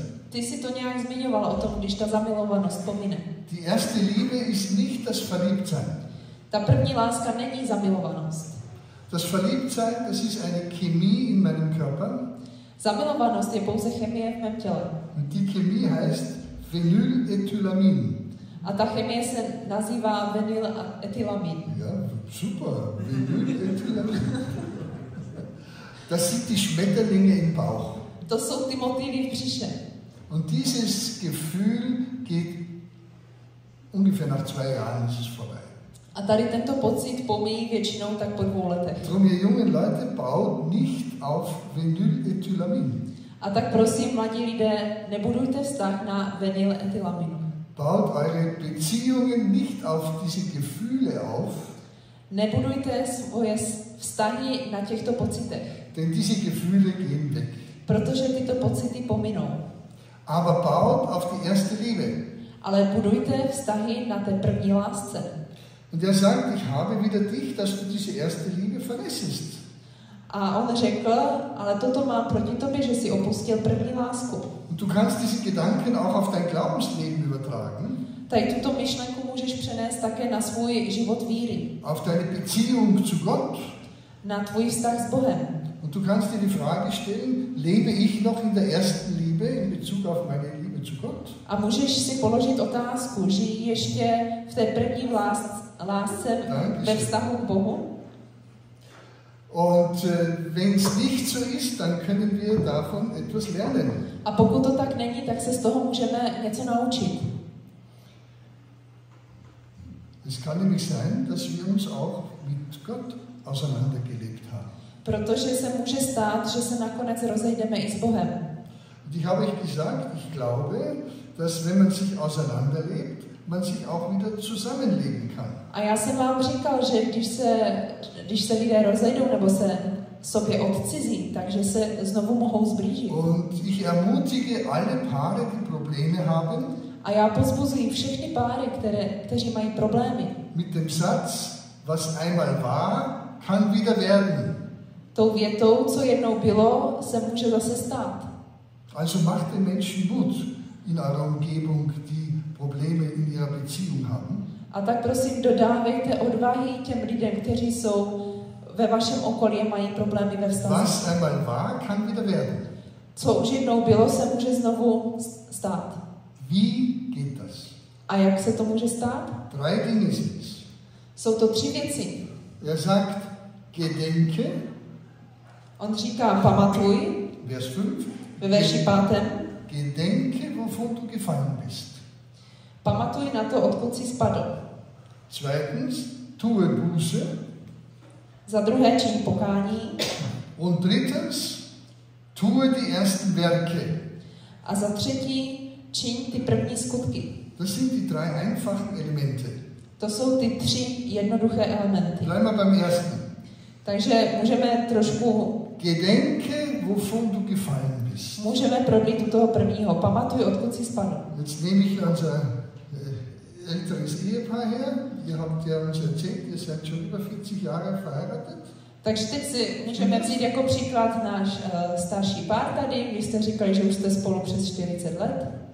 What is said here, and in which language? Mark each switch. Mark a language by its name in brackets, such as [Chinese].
[Czech] Ty si to nějak zmiňoval o tom, když ta zamilovanost pomine. [German] Die erste Liebe ist nicht das Verliebtsein. [Czech] Ta první láska není zamilovanost. [German] Das Verliebtsein, das ist eine Chemie in meinem Körper. [Czech] Zamilovanost je pouze chemie v mém těle. [German] Und die Chemie heißt Phenylethylamin. [Czech] A ta chemie se nazývá Phenylethylamin. [German] Ja, super. Phenylethylamin. Das sind die Schmetterlinge im Bauch. [Czech] To jsou ty motýly v břiše. [German] Und dieses Gefühl geht ungefähr nach 2 Jahren ist es vorbei. [Czech] A tady tento pocit pomíjí většinou tak po 2 letech. [German] Drum ihr jungen Leute, baut nicht auf Phenylethylamin. [Czech] A tak prosím, mladí lidé, nebudujte vztah na Phenylethylamin. [German] Baut eure Beziehungen nicht auf diese Gefühle auf. [Czech] Nebudujte svoje vztahy na těchto pocitech. [German] Denn diese Gefühle gehen weg. [Czech] Protože tyto pocity pominou. [German] Aber baut auf die erste Liebe. [Czech] Ale budujte vztahy na té první lásce. [German] Und er sagt, ich habe wieder dich, dass du diese erste Liebe verlässest. [Czech] A on řekl, ale toto mám proti tobě, že si opustil první lásku. [German] Und du kannst diese Gedanken auch auf dein Glaubensleben übertragen. [Czech] Tady tuto myšlenku můžeš přenést také na svůj život víry. [German] Auf deine Beziehung zu Gott. [Czech] Na tvůj vztah s Bohem. [German] Und du kannst dir die Frage stellen, lebe ich noch in der ersten Liebe in Bezug auf meine Liebe zu Gott? [Czech] A můžeš si položit otázku, žijí ještě v té první lásce ve vztahu k Bohu? [German] Und wenn es nicht so ist, dann können wir davon etwas lernen. [Czech] A pokud to tak není, tak se z toho můžeme něco naučit. [German] Es kann nämlich sein, dass wir uns auch mit Gott auseinandergelebt haben. [Czech] Protože se může stát, že se nakonec rozejdeme i s Bohem. [German] Und ich habe gesagt, ich glaube, dass wenn man sich auseinanderlebt, man sich auch wieder zusammenleben kann. [Czech] A já jsem vám říkal, že když se lidé rozejdou nebo se sobě odcizí, takže se znovu mohou zblížit. [German] Und ich ermutige alle Paare, die Probleme haben. [Czech] A já pozbuzuji všechny páry, kteří mají problémy. [German] Mit dem Satz, was einmal war, kann wieder werden. [Czech] Tou větou, co jednou bylo, se může zase stát. [German] Also macht den Menschen Mut in einer Umgebung, die Probleme in ihrer Beziehung haben. [Czech] A tak prosím, dodávejte odvahy těm lidem, kteří jsou ve vašem okolí a mají problémy ve vztahu. [German] Was einmal war, kann wieder werden. [Czech] Co už jednou bylo, se může znovu stát. [German] Wie geht das? [Czech] A jak se to může stát? [German] Drei Dinge sind es. [Czech] Jsou to tři věci. [German] Er sagt, gedenke. [Czech] On říká, pamatuj. [German] Vers 5. [Czech] Ve verši 5. [German] Gedenke, wovon du gefallen bist. [Czech] Pamatuj na to, odkud jsi spadl. [German] Zweitens, tue Buße. [Czech] Za druhé, čin pokání. [German] Und drittens, tue die ersten Werke. [Czech] A za třetí, čin ty první skutky. [German] Das sind die drei einfachen Elemente. [Czech] To jsou ty tři jednoduché elementy. [German] Bleiben wir beim ersten. [Czech] Takže můžeme trošku... [German] Gedenke, wovon du gefallen bist. [Czech] Můžeme probít u toho prvního. Pamatuj, odkud jsi spadl. [German] Jetzt nehme ich also älteres Ehepaar her. Ihr habt ja uns erzählt, ihr seid schon über 40 Jahre verheiratet. [Czech] Takže teď si můžeme vzít jako příklad náš starší pár tady. Vy jste říkali, že už jste spolu přes 40 let.